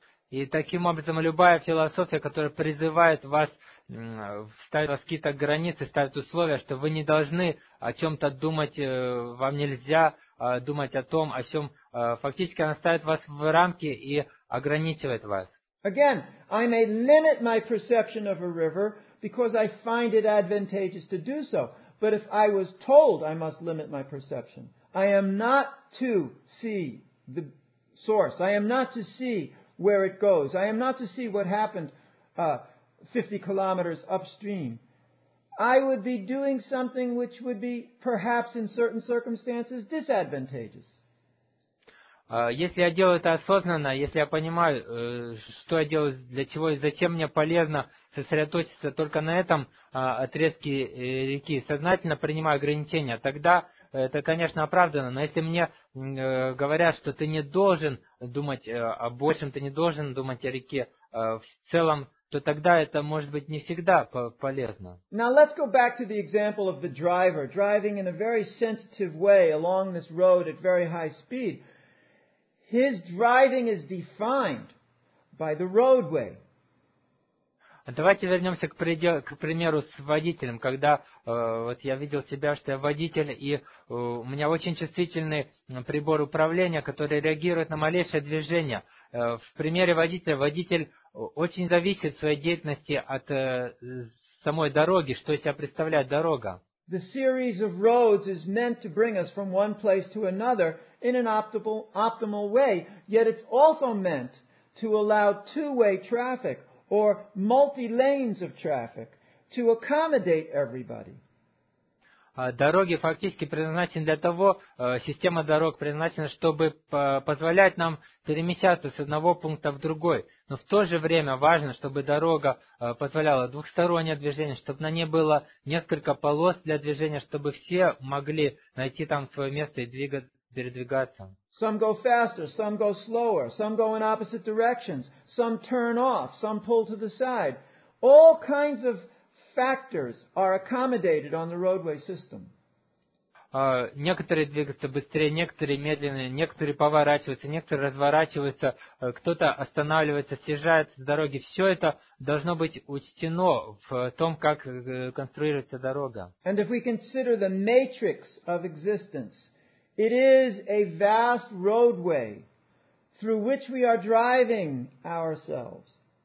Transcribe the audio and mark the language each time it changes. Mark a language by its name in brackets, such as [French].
[Russian] И таким образом, любая философия, которая призывает вас ставить какие-то границы, ставить условия, что вы не должны о чем-то думать, вам нельзя думать о том, о чем, фактически она ставит вас в рамки и ограничивает вас. [English] Again, I may limit my perception of a river because I find it advantageous to do so. But if I was told I must limit my perception, I am not to see the source. I am not to see where it goes. I am not to see what happened 50 kilometers upstream. I would be doing something which would be perhaps in certain circumstances disadvantageous. [Russian] Если я делаю это осознанно, если я понимаю, что я делаю, для чего и зачем мне полезно сосредоточиться только на этом отрезке реки, сознательно принимаю ограничения, тогда это, конечно, оправдано. Но если мне говорят, что ты не должен думать о большем, ты не должен думать о реке в целом, то тогда это может быть не всегда полезно. [English] Now let's go back to the example of the driver driving in a very sensitive way along this road at very high speed. His driving is defined by the roadway. [Russian] Давайте вернемся к примеру с водителем, когда вот я видел себя, что я водитель, и у меня очень чувствительный прибор управления, который реагирует на малейшее движение. В примере водителя, водитель очень зависит в своей деятельности от самой дороги, что из себя представляет дорога. [English] The series of roads is meant to bring us from one place to another in an optimal way, yet it's also meant to allow two-way traffic or multi-lanes of traffic to accommodate everybody. [Russian] Дороги фактически предназначены для того, система дорог предназначена, чтобы позволять нам перемещаться с одного пункта в другой. Но в то же время важно, чтобы дорога позволяла двухстороннее движение, чтобы на ней было несколько полос для движения, чтобы все могли найти там свое место и передвигаться. [English] Some go faster, some go slower, some go in opposite directions, some turn off, some pull to the side. All kinds of factors are accommodated on the roadway system. [Russian] Некоторые двигаются быстрее, некоторые медленнее, некоторые поворачиваются, некоторые разворачиваются, кто-то останавливается, съезжает с дороги. Все это должно быть учтено в том, как конструируется дорога. [English] And if we consider the matrix of existence, it is a vast roadway through which we are driving ourselves.